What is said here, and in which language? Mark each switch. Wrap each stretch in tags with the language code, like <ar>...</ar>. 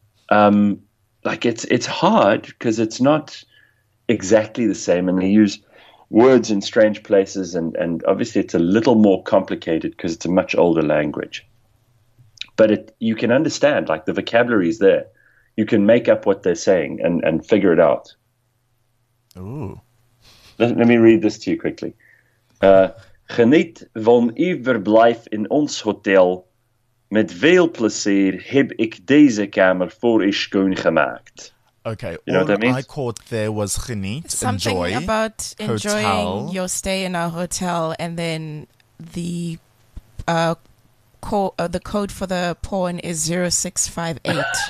<en>Like it's hard because it's not exactly the same, and they use words in strange places, and obviously it's a little more complicated because it's a much older language. But you can understand, like the vocabulary is there. You can make up what they're saying and figure it out. Ooh. Let me read this to you quickly.</en> <nl>Geniet van uw verblijf in ons hotel. Met veel plezier heb ik deze kamer voor u schoongemaakt.</nl> <en>Okay, you know all what I caught there was geniet, enjoy. Something about enjoying hotel. Your stay in our hotel, and then the code for the porn is 0658.</en>